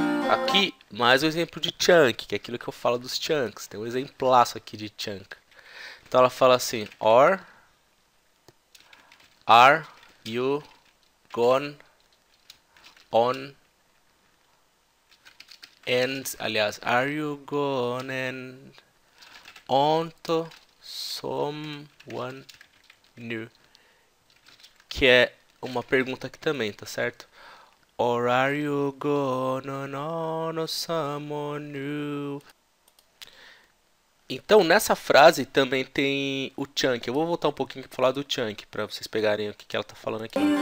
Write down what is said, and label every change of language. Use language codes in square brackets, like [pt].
[pt] Aqui, mais um exemplo de chunk, que é aquilo que eu falo dos chunks. Tem um exemplaço aqui de chunk. Então ela fala assim, [en] or are you gone on and, aliás, are you gone and onto someone new? [pt] Que é uma pergunta aqui também, tá certo? [en] Or are you going on to someone new? [pt] Então, nessa frase também tem o chunk. Eu vou voltar um pouquinho para falar do chunk, para vocês pegarem o que ela tá falando aqui.